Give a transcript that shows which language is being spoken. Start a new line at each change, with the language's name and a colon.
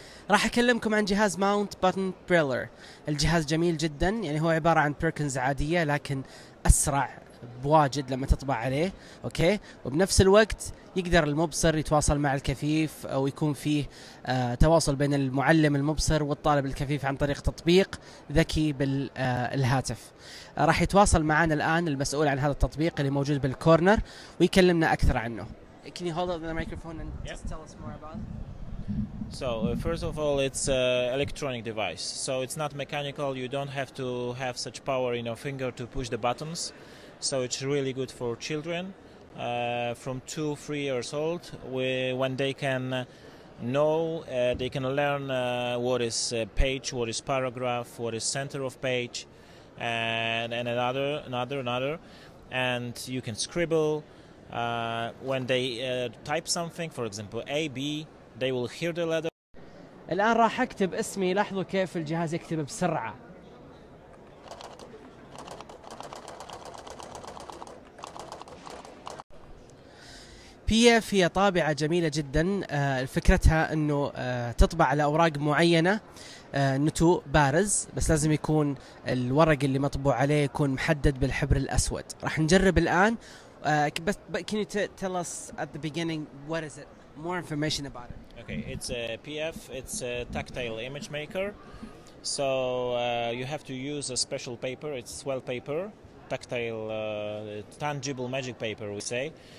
Arabic: راح أكلمكم عن جهاز ماونت بوتن بريلر. الجهاز جميل جدا يعني، هو عبارة عن بيركنز عادية لكن أسرع بواجد لما تطبع عليه، اوكي، وبنفس الوقت يقدر المبصر يتواصل مع الكفيف او يكون فيه تواصل بين المعلم المبصر والطالب الكفيف عن طريق تطبيق ذكي بالهاتف. راح يتواصل معنا الان المسؤول عن هذا التطبيق اللي موجود بالكورنر ويكلمنا اكثر عنه.
English: Can you hold up the microphone and just tell us more about it? So first of all, it's an electronic device. So it's not mechanical. You don't have to have such power in your finger to push the buttons. So it's really good for children from 2-3 years old, when they can know, they can learn what is page, what is paragraph, what is center of page, and another. And you can scribble. When they type something, for example, A, B, they will hear the letter.
Arabic: الآن راح أكتب اسمي، لاحظوا كيف الجهاز يكتب بسرعة. هي فيها طابعة جميلة جدا، فكرتها انه تطبع على اوراق معينة نتوء بارز، بس لازم يكون الورق اللي مطبوع عليه يكون محدد بالحبر الاسود. راح نجرب الان. بس
English: can you tell us at the beginning what is it, more information about it? Okay, it's a PF, it's a tactile image maker. So you have to use a special paper, it's swell paper, tactile, tangible magic paper we say.